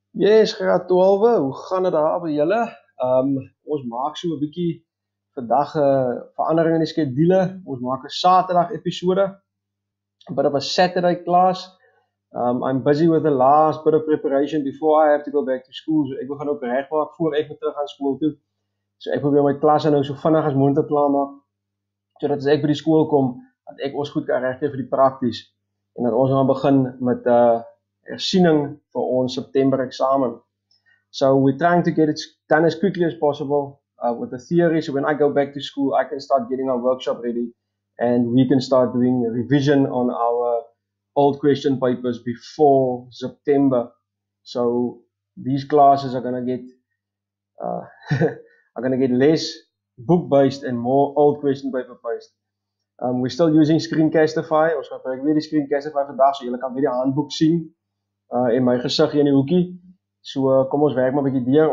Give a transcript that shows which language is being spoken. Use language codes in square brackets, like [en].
[af] Yes, graad 12, hoe gaan het daar by julle? Ons maak so 'n bietjie vandag 'n verandering in die skedule. Ons maak 'n Saterdag episode, [en] a bit of a Saturday class. I'm busy with the last bit of preparation before I have to go back to school, so [af] ek wil gaan ook reg maak voor ek weer terug aan school toe. So ek probeer my klas nou so vinnig as moontlik klaar maak, so dat as ek by die school kom, dat ek ons goed kan regkry vir die prakties, en dat ons gaan begin met hersiening vir ons September examen. [en] So we're trying to get it done as quickly as possible with the theory, so when I go back to school I can start getting our workshop ready and we can start doing a revision on our old question papers before September. So these classes are going to get are going to get less book based and more old question paper based. We're still using Screencastify. [af] Ons gaan gebruik weer die Screencastify vandag, so julle kan weer die handboek sien. En my gesig hier in die hoekie. So kom ons werk maar 'n bietjie deur.